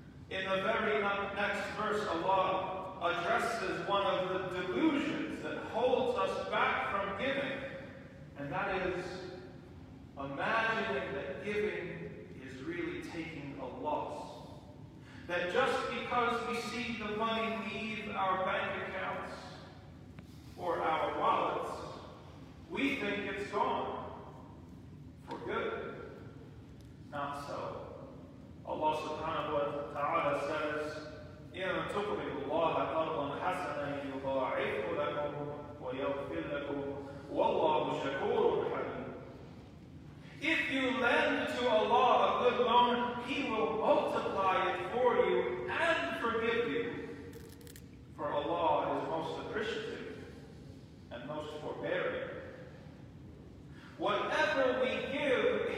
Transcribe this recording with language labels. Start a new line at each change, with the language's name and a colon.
English: In the very next verse, Allah addresses one of the delusions that holds us back from giving, and that is imagining that giving is really taking a loss. That just because we see the money leave our bank accounts or our wallets, we think it's gone for good. Not so.
Arabic: Allah subhanahu wa ta'ala says, إِنَّ تُقْرِضُوا اللَّهَ قَرْضًا حَسَنًا يُضَاعِفْهُ لَكُمْ وَيَغْفِرْ لَكُمْ وَاللَّهُ شَكُورٌ حَلِيمٌ.
English: If you lend to Allah a good loan, He will multiply it for you and forgive you. For Allah is most appreciative and most forbearing. Whatever we give